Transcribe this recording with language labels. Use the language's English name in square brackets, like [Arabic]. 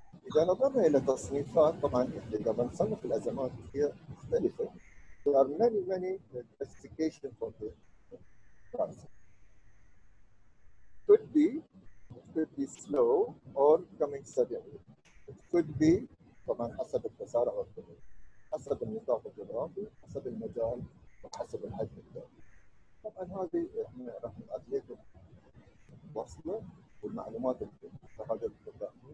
[Arabic] إذا نظرنا إلى تصنيفات، طبعاً إحنا إذا بنصنف الأزمات هي مختلفة. [English] There are many many classifications for the crisis. Could be slow or coming suddenly. It could be [Arabic] طبعاً حسب التسارع والطول، حسب النطاق الجغرافي، حسب المجال، وحسب الحجم الدولي. طبعاً هذه إحنا راح نعطيكم وصلة والمعلومات اللي هذا الكتاب.